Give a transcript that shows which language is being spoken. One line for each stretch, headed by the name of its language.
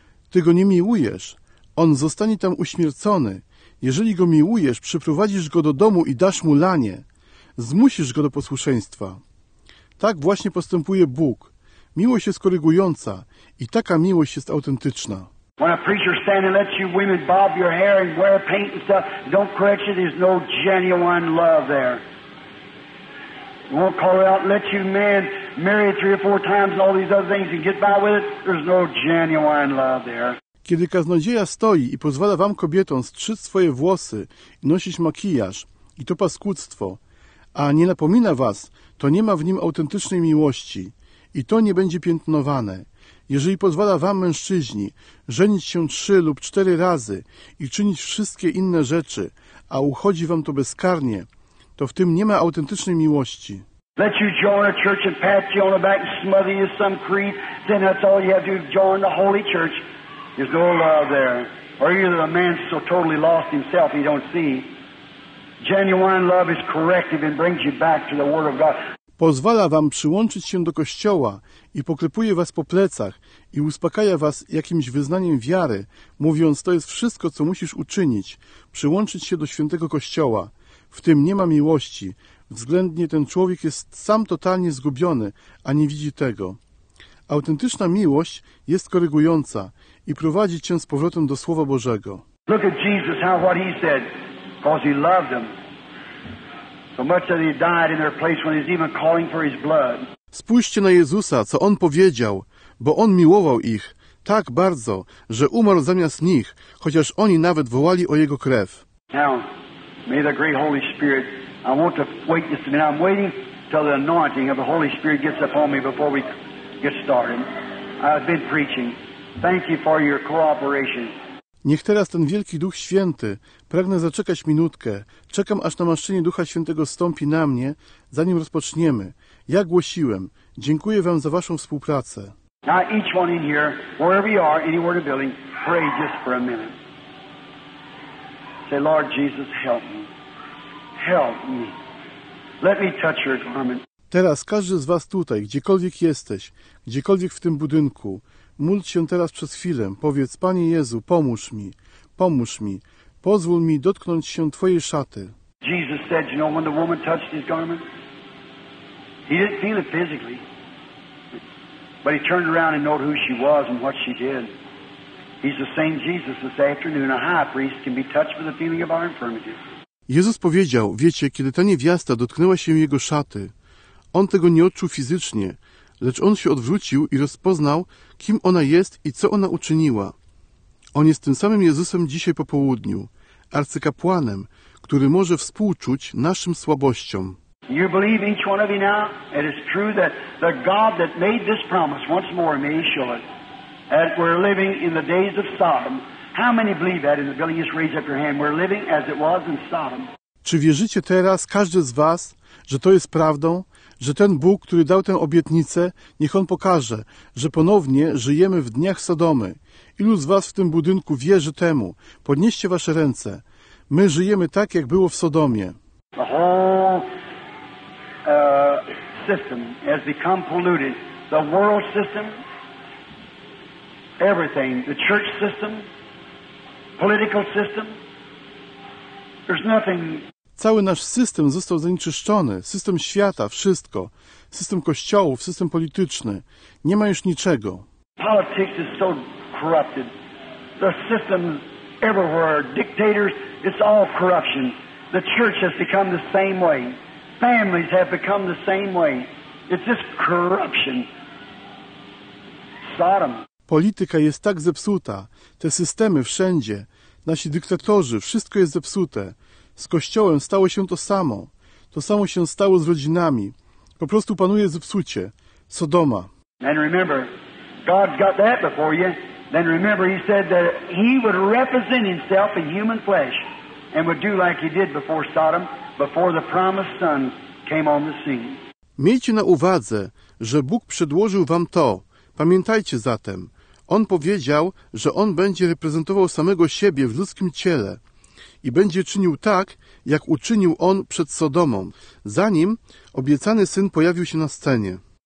Polish: Ty go nie miłujesz. On zostanie tam uśmiercony. Jeżeli go miłujesz, przyprowadzisz go do domu i dasz mu lanie. Zmusisz go do posłuszeństwa. Tak właśnie postępuje Bóg. Miłość jest korygująca i taka miłość jest autentyczna.
English: When a preacher stands and lets you women bob your hair and wear paint and stuff, don't correct you, there's no genuine love there. You won't call it out and let you men marry three or four times and all these other things and get by with it, there's no genuine love there.
Polish: Kiedy kaznodzieja stoi i pozwala wam kobietom strzyc swoje włosy i nosić makijaż, i to paskudztwo, a nie napomina was, to nie ma w nim autentycznej miłości i to nie będzie piętnowane. Jeżeli pozwala wam, mężczyźni, żenić się 3 lub 4 razy i czynić wszystkie inne rzeczy, a uchodzi wam to bezkarnie, to w tym nie ma autentycznej miłości.
English: Let you join a church and pat you on the back and smother you some creed, then that's all you have to do, join the holy church. There's no love there. Or either the man's so totally lost himself he don't see. Genuine love is corrective and brings you back to the word of God.
Polish: Pozwala wam przyłączyć się do kościoła i poklepuje was po plecach i uspokaja was jakimś wyznaniem wiary, mówiąc, to jest wszystko, co musisz uczynić, przyłączyć się do świętego kościoła. W tym nie ma miłości. Względnie ten człowiek jest sam totalnie zgubiony, a nie widzi tego. Autentyczna miłość jest korygująca i prowadzi cię z powrotem do Słowa Bożego.
English: Look at Jesus, how what he said, because he loved them. So much that he died in their place when he's even calling for his blood.
Polish: Spójrzcie na Jezusa, co on powiedział, bo on miłował ich tak bardzo, że umarł zamiast nich, chociaż oni nawet wołali o jego krew.
English: Now, May the great Holy Spirit, I want to wait just a minute. I'm waiting till the anointing of the Holy Spirit gets upon me before we get started. I've been preaching. Thank you for your cooperation.
Polish: Niech teraz ten wielki Duch Święty, pragnę zaczekać minutkę, czekam aż namaszczenie Ducha Świętego stąpi na mnie, zanim rozpoczniemy. Ja głosiłem. Dziękuję Wam za Waszą współpracę.
English: Now each one in here, wherever you are, anywhere in the building, pray just for a minute. Say, Lord Jesus, help me. Help me. Let me touch your garment.
Polish: Teraz każdy z Was tutaj, gdziekolwiek jesteś, gdziekolwiek w tym budynku, módl się teraz przez chwilę. Powiedz, Panie Jezu, pomóż mi. Pomóż mi. Pozwól mi dotknąć się Twojej szaty.
English: Jesus said, you know, when the woman touched his garment, he didn't feel it physically. But he turned around and knew who she was and what she did. He's the same Jesus this afternoon. A high priest can be touched with the feeling of our infirmity.
Polish: Jezus powiedział, wiecie, kiedy ta niewiasta dotknęła się jego szaty, on tego nie odczuł fizycznie, lecz on się odwrócił i rozpoznał, kim ona jest i co ona uczyniła. On jest tym samym Jezusem dzisiaj po południu, arcykapłanem, który może współczuć naszym słabościom.
English: You believe each one of you now? It is true that the God that made this promise once more may show it. That we're living in the days of Sodom. How many believe that in the building? Just raise up your hand. We're living as it was in Sodom.
Polish: Czy wierzycie teraz, każdy z was, że to jest prawdą? Że ten Bóg, który dał tę obietnicę, niech On pokaże, że ponownie żyjemy w dniach Sodomy. Ilu z was w tym budynku wierzy temu? Podnieście wasze ręce. My żyjemy tak, jak było w Sodomie.
English: The whole system has become polluted. The world system, everything, the church system, political system, there's nothing.
Polish: Cały nasz system został zanieczyszczony, system świata, wszystko, system kościołów, system polityczny. Nie ma już niczego.
English: Politics is so corrupted. The system everywhere, dictators, it's all corruption. The church has become the same way. Families have become the same way. It's just corruption. Sodom.
Polish: Polityka jest tak zepsuta. Te systemy wszędzie, nasi dyktatorzy, wszystko jest zepsute. Z Kościołem stało się to samo. To samo się stało z rodzinami. Po prostu panuje zepsucie. Sodoma.
English: And remember, God's got that before you. Then remember, he said that he would represent himself in human flesh and would do like he did before Sodom, before the promised son came on the scene.
Polish: Miejcie na uwadze, że Bóg przedłożył wam to. Pamiętajcie zatem. On powiedział, że on będzie reprezentował samego siebie w ludzkim ciele. I będzie czynił tak, jak uczynił on przed Sodomą, zanim obiecany syn pojawił się na scenie.